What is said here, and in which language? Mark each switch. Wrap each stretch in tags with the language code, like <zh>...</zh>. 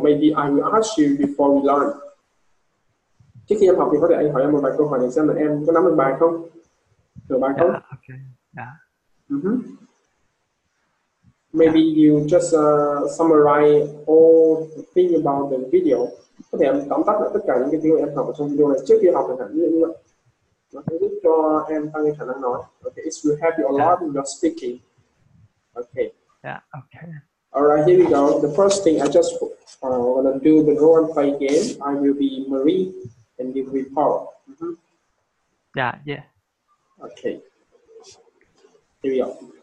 <en>Maybe I will ask you before we learn.</en> <vi>Trước khi em học thì có thể anh hỏi em một vài câu hỏi để xem là em có nắm được bài không? Hiểu bài không?</vi> <en>Yeah, okay. Yeah. Maybe you just summarize all the thing about the video.</en> <vi>Có thể em tóm tắt lại tất cả những cái thứ em học ở trong video này trước khi học chẳng hạn như vậy. Nó sẽ giúp cho em tăng cái khả năng nói.</vi> <en>Okay, it will help you a lot in your speaking. Okay. Yeah. Okay. All right. Here we go. The first thing I just wanna do the role and play game. I will be Marie, and you will be Paul. Yeah. Yeah. Okay. Here we go.</en>